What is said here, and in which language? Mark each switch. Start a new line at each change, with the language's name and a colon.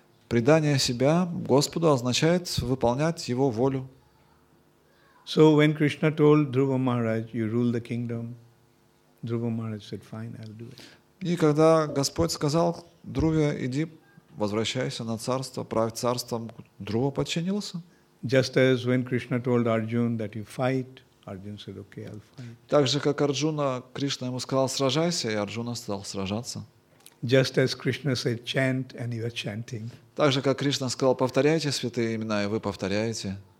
Russian: Предание себя Господу означает выполнять Его волю.
English: So when Krishna told Dhruva Maharaj, you rule the kingdom, Dhruva Maharaj said, fine, I'll do it.
Russian: И когда Господь сказал Друве, иди, возвращайся на царство, правь царством, Друва подчинился.
English: Just as when Krishna told Arjuna that you fight, Arjuna said, okay, I'll fight.
Russian: Так же, как Арджуна, Кришна ему сказал, сражайся, и Арджуна стал сражаться.
English: Just as Krishna said, chant, and you are chanting.
Russian: Так же, как Кришна сказал, повторяйте святые имена, и вы повторяете.